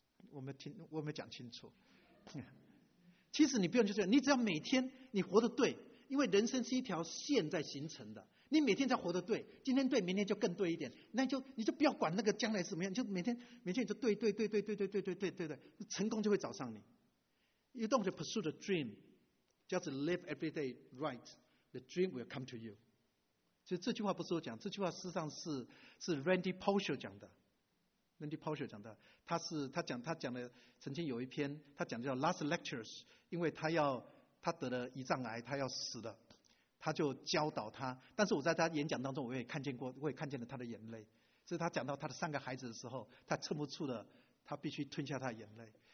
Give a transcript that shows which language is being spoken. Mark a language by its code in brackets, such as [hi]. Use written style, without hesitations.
[zh] 我没讲清楚。其实你不用去追求，你只要每天你活得对，因为人生是一条线在形成的，你每天在活得对，今天对明天就更对一点，那你就不要管那个将来是怎么样，就每天你就对对对对对对对对对对对，成功就会找上你。 [en] You don't pursue the dream, just live every day right, the dream will come to you. [zh] 所以这句话不是我讲，这句话事实上是 Randy Pausher 讲的。 Randy Pausher 讲的，他讲的曾经有一篇他讲的叫 Last Lectures, 因为他得了胰脏癌，他要死的，他就教导他，但是我在他演讲当中我也看见了他的眼泪，所以他讲到他的三个孩子的时候，他撑不住了，他必须吞下他的眼泪。